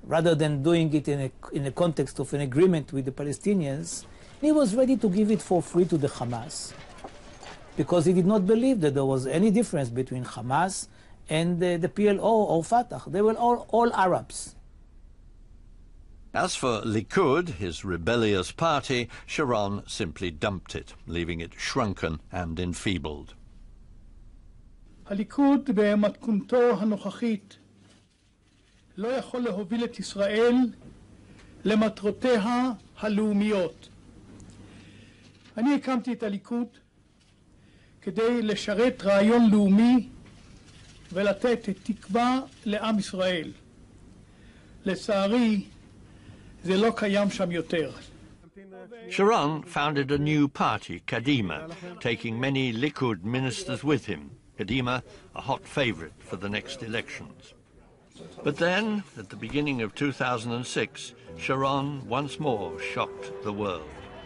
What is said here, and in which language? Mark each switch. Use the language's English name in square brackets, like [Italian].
[English] Rather than doing it in a context of an agreement with the Palestinians, he was ready to give it for free to the Hamas, because he did not believe that there was any difference between Hamas and the PLO or Fatah. They were all Arabs. As for Likud, his rebellious party, Sharon simply dumped it, leaving it shrunken and enfeebled. [Hebrew] Likud במתכונתו הנוכחית לא יכול להוביל את ישראל למטרותיה הלאומיות. אני הקמתי את הליכוד כדי לשרת רעיון לאומי ולתת את תקווה לעם ישראל. לצערי, זה לא קיים שם יותר. [English] Sharon founded a new party, Kadima, taking many Likud ministers with him. Kadima, a hot favorite for the next elections. But then, at the beginning of 2006, Sharon once more shocked the world.